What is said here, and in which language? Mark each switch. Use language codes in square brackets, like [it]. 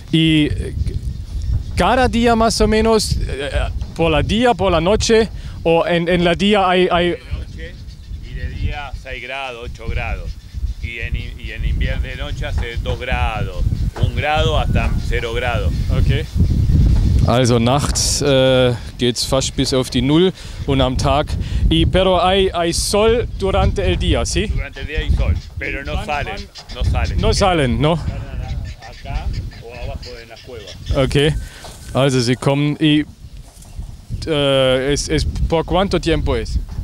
[es] Y cada día más o menos, por la día, por la noche, o en la día hay... De noche y de día 6 grados, 8 grados. Y en invierno de noche hace 2 grados, 1 grado hasta 0 grados. Ok. [de] Also nachts geht's fast bis auf die Null und am Tag. [es] Y, pero hay sol durante el día, ¿sí? Durante el día hay sol, pero no salen. No salen, no. Salen, ¿no? Acá o abajo en la cueva. [de] Ok, also sie kommen. [es] Y, es ¿por cuánto tiempo es?